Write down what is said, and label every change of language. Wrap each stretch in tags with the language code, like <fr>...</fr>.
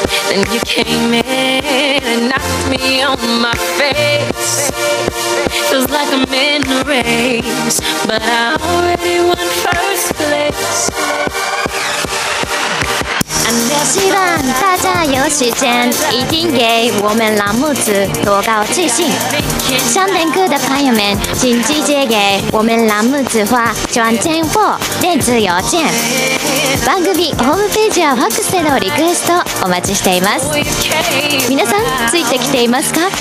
<en>And you came in and knocked me on my face. Feels like I'm in a race, but I already won first place.</en> <zh>希望大家有时间一定给我们栏目组投稿寄信。想点歌的朋友们，请直接给我们栏目组发专线或电子邮件。</zh> <ja>番組ホームページやファックスでのリクエストお待ちしています。皆さんついてきていますか？</ja>